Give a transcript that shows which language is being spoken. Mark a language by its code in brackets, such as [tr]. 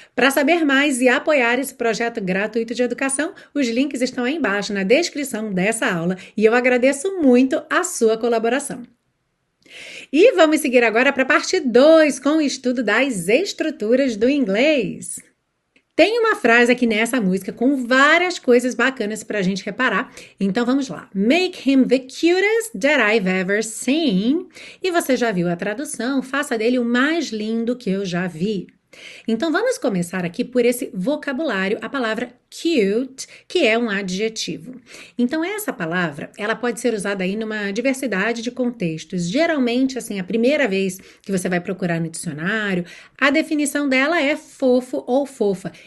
[pt] Para saber mais e apoiar esse projeto gratuito de educação, os links estão aí embaixo na descrição dessa aula e eu agradeço muito a sua colaboração. E vamos seguir agora para a parte 2 com o estudo das estruturas do inglês. Tem uma frase aqui nessa música com várias coisas bacanas para a gente reparar. Então vamos lá. [en] Make him the cutest that I've ever seen. [pt] E você já viu a tradução? Faça dele o mais lindo que eu já vi. Então vamos começar aqui por esse vocabulário, a palavra cute, que é um adjetivo. Então essa palavra, ela pode ser usada aí numa diversidade de contextos. Geralmente, assim, a primeira vez que você vai procurar no dicionário, a definição dela é fofo ou fofa.